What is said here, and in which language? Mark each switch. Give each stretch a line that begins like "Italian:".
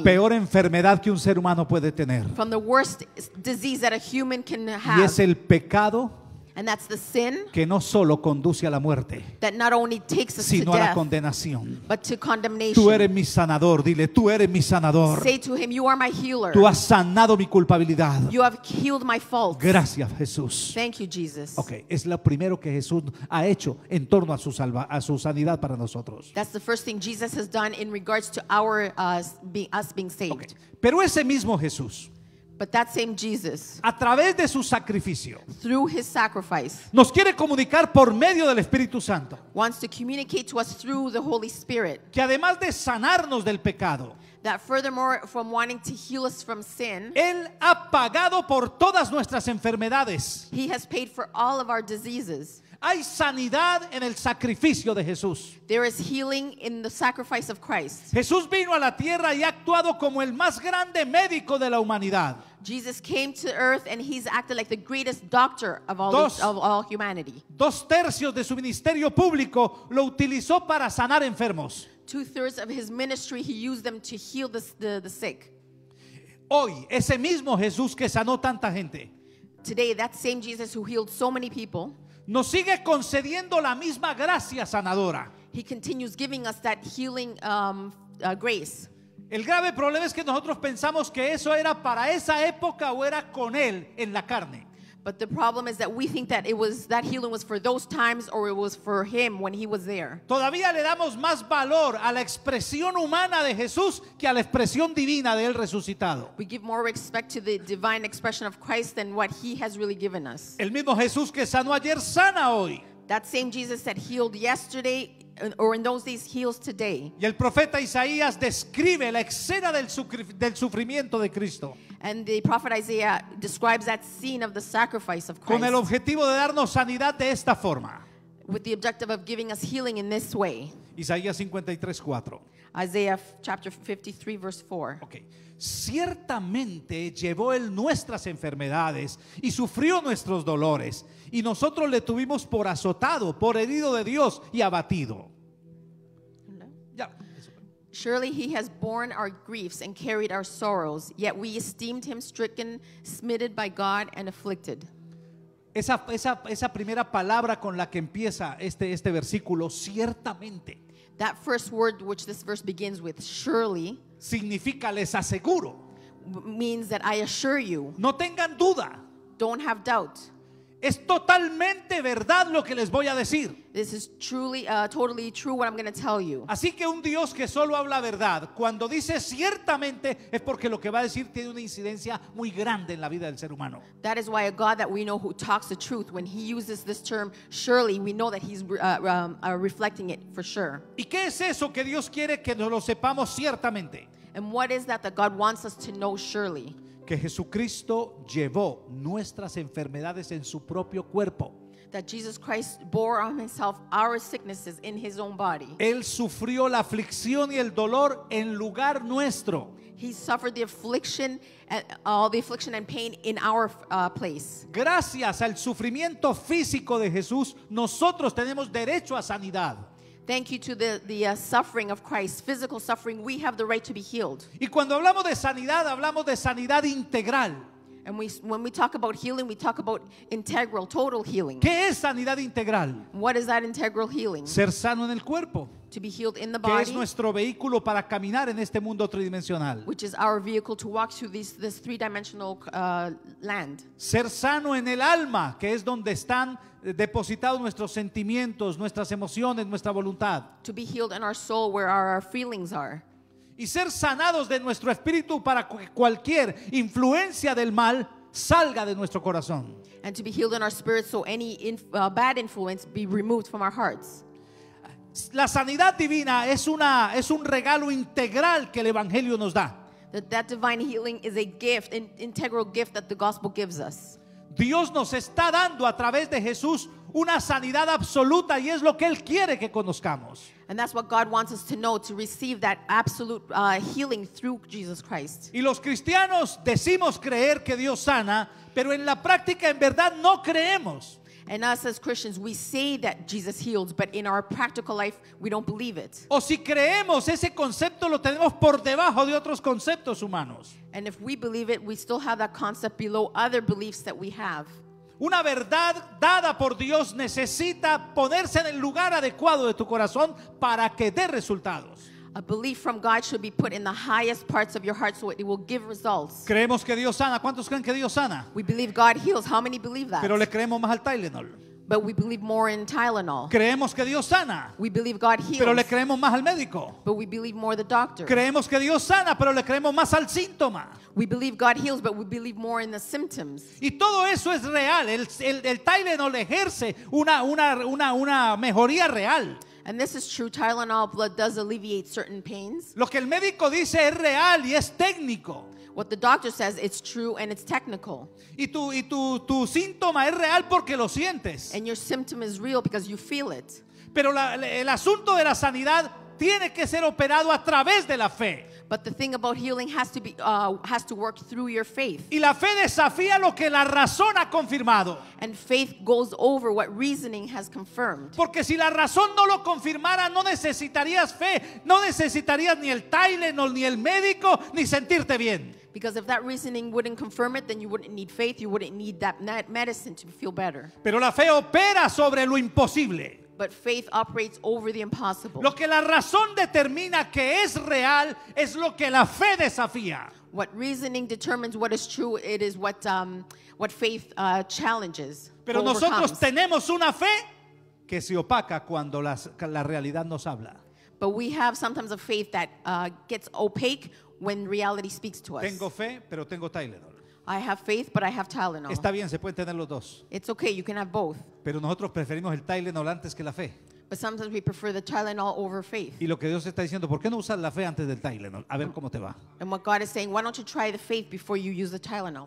Spanish: peor enfermedad que un ser humano puede tener.
English: From the worst disease that a human can have.
Spanish: Y es el pecado.
English: And that's the sin
Spanish: que no solo conduce a la muerte,
English: that not only takes us to death,
Spanish: sino a la condenación.
English: But to condemnation.
Spanish: Tú eres mi sanador, dile, tú eres mi sanador.
English: Say to him, you are my healer.
Spanish: Tú has sanado mi culpabilidad.
English: You have healed my faults.
Spanish: Gracias, Jesús.
English: Thank you, Jesus.
Spanish: Okay, es lo primero que Jesús ha hecho en torno a su sanidad para nosotros.
English: That's the first thing Jesus has done in regards to our us being saved.
Spanish: Okay. Pero ese mismo Jesús,
English: but that same Jesus,
Spanish: a través de su sacrificio,
English: through his sacrifice,
Spanish: nos quiere comunicar por medio del Espíritu Santo,
English: wants to communicate to us through the Holy Spirit,
Spanish: que además de sanarnos del pecado,
English: that furthermore, from wanting to heal us from sin,
Spanish: Él ha pagado por todas nuestras enfermedades.
English: He has paid for all of our diseases.
Spanish: Hay sanidad en el sacrificio de Jesús.
English: There is healing in the sacrifice of Christ.
Spanish: Jesús vino a la tierra y ha actuado como el más grande médico de la humanidad.
English: Jesus came to earth and he's acted like the greatest doctor of all humanity.
Spanish: Dos tercios de su ministerio público lo utilizó para sanar enfermos.
English: Two-thirds of his ministry he used them to heal the sick.
Spanish: Hoy, ese mismo Jesús que sanó tanta gente.
English: Today, that same Jesus who healed so many people.
Spanish: Nos sigue concediendo la misma gracia sanadora.
English: He continues giving us that healing grace.
Spanish: El grave problema es que nosotros pensamos que eso era para esa época o era con él en la carne.
English: But the problem is that we think that it was that healing was for those times or it was for him when he was there.
Spanish: Todavía le damos más valor a la expresión humana de Jesús que a la expresión divina de él resucitado.
English: We give more respect to the divine expression of Christ than what he has really given us.
Spanish: El mismo Jesús que sanó ayer sana hoy.
English: That same Jesus that healed yesterday or in those days heals today.
Spanish: Y el profeta Isaías describe la escena del sufrimiento de Cristo.
English: And the prophet Isaiah describes that scene of the sacrifice of Christ.
Spanish: Con el objetivo de darnos sanidad de esta forma.
English: With the objective of giving us healing in this way.
Spanish: Isaías 53:4.
English: Isaiah chapter 53 verse 4. Okay.
Spanish: Ciertamente llevó él nuestras enfermedades y sufrió nuestros dolores, y nosotros le tuvimos por azotado, por herido de Dios y abatido.
English: Surely he has borne our griefs and carried our sorrows, yet we esteemed him stricken, smitten by God and afflicted.
Spanish: Esa primera palabra con la que empieza este versículo, ciertamente.
English: That first word which this verse begins with, surely,
Spanish: significa les aseguro.
English: Means that I assure you.
Spanish: No tengan duda.
English: Don't have doubt.
Spanish: Es totalmente verdad lo que les voy a decir.
English: This is truly, totally true what I'm going to tell you.
Spanish: Así que un Dios que solo habla verdad, cuando dice ciertamente, es porque lo que va a decir tiene una incidencia muy grande en la vida del ser humano.
English: That is why a God that we know who talks the truth, when he uses this term surely, we know that he's reflecting it for sure.
Spanish: ¿Y qué es eso que Dios quiere que nos lo sepamos ciertamente?
English: And what is that that God wants us to know surely?
Spanish: Que Jesucristo llevó nuestras enfermedades en su propio cuerpo.
English: That Jesus Christ bore on himself our sicknesses in his own body.
Spanish: Él sufrió la aflicción y el dolor en lugar nuestro.
English: He suffered the affliction, all the affliction and pain in our place.
Spanish: Gracias al sufrimiento físico de Jesús, nosotros tenemos derecho a sanidad.
English: Thank you to the suffering of Christ, physical suffering, we have the right to be healed.
Spanish: Y cuando hablamos de sanidad integral.
English: And when we talk about healing, we talk about integral, total healing.
Spanish: ¿Qué es sanidad integral?
English: What is that integral healing?
Spanish: Ser sano en el cuerpo.
English: To be healed in the body.
Spanish: Que es nuestro vehículo para caminar en este mundo tridimensional.
English: Which is our vehicle to walk through this three-dimensional land.
Spanish: Ser sano en el alma, que es donde están depositados nuestros sentimientos, nuestras emociones, nuestra voluntad.
English: To be healed in our soul where our feelings are.
Spanish: Y ser sanados de nuestro espíritu para que cualquier influencia del mal salga de nuestro corazón.
English: And to be healed in our spirit so any bad influence be removed from our hearts.
Spanish: La sanidad divina es un regalo integral que el Evangelio nos da.
English: That divine healing is a gift, an integral gift that the gospel gives us.
Spanish: Dios nos está dando a través de Jesús una sanidad absoluta y es lo que Él quiere que conozcamos.
English: And that's what God wants us to know, to receive that absolute healing through Jesus Christ.
Spanish: Y los cristianos decimos creer que Dios sana, pero en la práctica en verdad no creemos.
English: And us as Christians, we say that Jesus heals, but in our practical life, we don't believe it.
Spanish: O si creemos, ese concepto lo tenemos por debajo de otros conceptos humanos.
English: And if we believe it, we still have that concept below other beliefs that we have.
Spanish: Una verdad dada por Dios necesita ponerse en el lugar adecuado de tu corazón para que dé resultados.
English: A belief from God should be put in the highest parts of your heart so it will give results.
Spanish: Creemos que Dios sana. ¿Cuántos creen que Dios sana?
English: We believe God heals. How many believe that?
Spanish: Pero le creemos más al Tylenol.
English: But we believe more in Tylenol.
Spanish: Creemos que Dios sana.
English: We believe God heals.
Spanish: Pero le creemos más al médico.
English: But we believe more the doctor.
Spanish: Creemos que Dios sana, pero le creemos más al síntoma.
English: We believe God heals, but we believe more in the symptoms.
Spanish: Y todo eso es real. El Tylenol ejerce una mejoría real.
English: And this is true. Tylenol blood does alleviate certain pains.
Spanish: Lo que el médico dice es real y es técnico.
English: What the doctor says, it's true and it's technical.
Spanish: Y tu síntoma es real porque lo sientes.
English: And your symptom is real because you feel it.
Spanish: Pero el asunto de la sanidad tiene que ser operado a través de la fe.
English: But the thing about healing has to work through your faith.
Spanish: Y la fe desafía lo que la razón ha confirmado.
English: And faith goes over what reasoning has confirmed.
Spanish: Porque si la razón no lo confirmara, no necesitarías fe, no necesitarías ni el Tylenol ni el médico ni sentirte bien.
English: Because if that reasoning wouldn't confirm it, then you wouldn't need faith, you wouldn't need that medicine to feel better.
Spanish: Pero la fe opera sobre lo imposible.
English: But faith operates over the impossible.
Spanish: Lo que la razón determina que es real es lo que la fe desafía.
English: What reasoning determines what is true, it is what faith challenges.
Spanish: Pero nosotros tenemos una fe que se opaca cuando la realidad nos habla.
English: But we have sometimes a faith that gets opaque when reality speaks to us.
Spanish: Tengo fe, pero tengo Tylenol.
English: I have faith, but I have Tylenol.
Spanish: Está bien, se pueden tener los dos.
English: It's okay, you can have both.
Spanish: Pero nosotros preferimos el Tylenol antes que la fe.
English: But sometimes we prefer the Tylenol over faith.
Spanish: Y lo que Dios está diciendo, ¿por qué no usas la fe antes del Tylenol? A ver cómo te va.
English: And what God is saying, why don't you try the faith before you use the Tylenol?